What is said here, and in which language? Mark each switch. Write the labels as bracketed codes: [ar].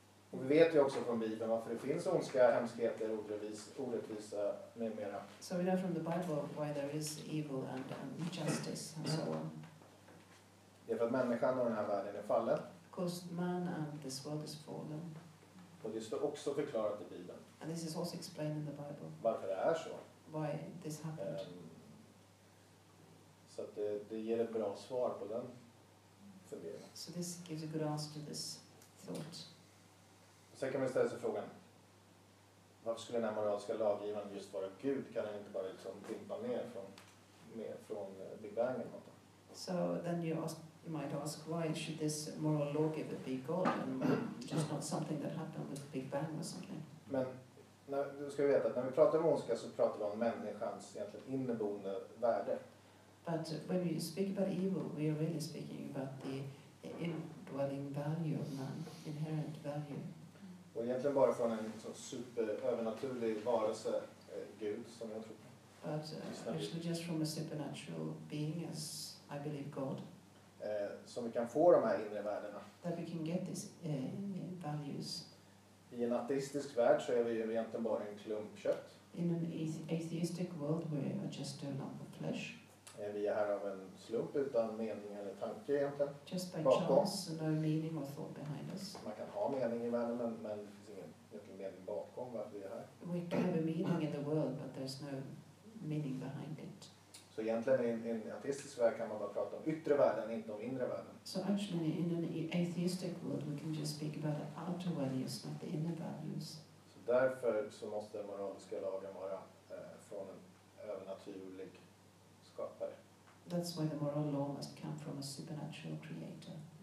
[sv] Och vi vet ju också från Bibeln varför det finns ondska, hemskheter, orättvisa med mera. [en] So we know from the Bible why there is evil and injustice and so on. [sv] Det är för att människan och den här världen är fallen. [en] Because man and this world is fallen. [sv] Och det står också förklarat i Bibeln. [en] And this is also explained in the Bible. [sv] Varför det är så. [en] Why this happened. [sv] Så att det ger ett bra svar på den funderingen. [en] So this gives a good answer to this thought. [sv] Och sen kan man ställa sig frågan. Varför skulle den här moraliska laggivaren just vara Gud? Kan den inte bara liksom dimpa ner från Big Bang eller något? [en] So then you might ask why should this moral lawgiver be God and just not something that happened with Big Bang or something? [sv] Men du ska veta att när vi pratar om ondska så pratar vi om människans egentligen inneboende värde. [en] But when we speak about evil, we are really speaking about the indwelling value of man, inherent value. [sv] Och egentligen bara från en sån super övernaturlig varelse, Gud, som jag tror på. [en] But actually just from a supernatural being, as I believe God. [sv] Som vi kan få de här inre värdena. [en] That we can get these values. [sv] I en ateistisk värld så är vi ju egentligen bara en klump kött. [en] In an atheistic world, we are just a lump of flesh. [sv] Är vi här av en slump utan mening eller tanke egentligen? [en] Just by [sv] bakom. [en] Chance, no meaning or thought behind us. [sv] Man kan ha mening i världen, men det finns ingen mening bakom varför vi är här. [en] We can have a meaning in the world, but there's no meaning behind it. [sv] Så egentligen i en ateistisk värld kan man bara prata om yttre världen, inte om inre världen. [en] So actually in an atheistic world we can just speak about the outer values, not the inner values. [sv] Så därför så måste den moraliska lagen vara från en övernaturlig. [en] That's why the moral law must come from a supernatural creator.